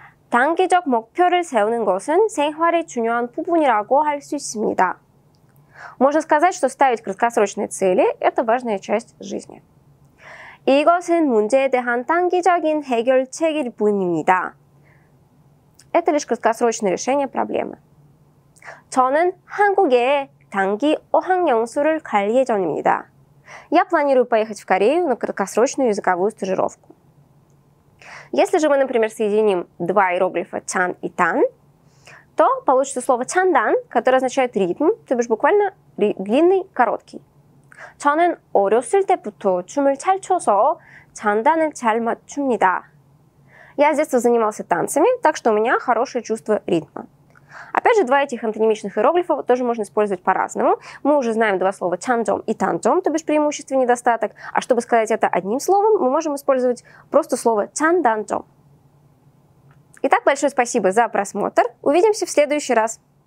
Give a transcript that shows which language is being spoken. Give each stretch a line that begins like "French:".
Korean: «Тангичок» 목표를 세우는 것은 생활의 중요한 부분이라고 할 수 있습니다.
Russian: Можно сказать, что ставить краткосрочные цели – это важная часть жизни.
Korean: 이것은 문제에 대한 단기적인 해결책일 뿐입니다.
Russian: Это лишь краткосрочное решение проблемы.
Korean: 저는 한국에 단기 어학연수를 갈 예정입니다.
Russian: Я планирую поехать в Корею на краткосрочную языковую стажировку. Если же мы, например, соединим два иероглифа «чан» и «тан», то получится слово «чандан», которое означает «ритм», то бишь буквально «длинный», «короткий».
Korean: 저는 어렸을 때부터 춤을 잘 춰서 장단을 잘 맞춥니다.
Russian: Я с детства занимался танцами, так что у меня хорошее чувство ритма. Опять же, два этих антонимичных иероглифа тоже можно использовать по-разному. Мы уже знаем два слова чанчом и танчом, то бишь преимущество и недостаток. А чтобы сказать это одним словом, мы можем использовать просто слово чанданчом. Итак, большое спасибо за просмотр. Увидимся в следующий раз.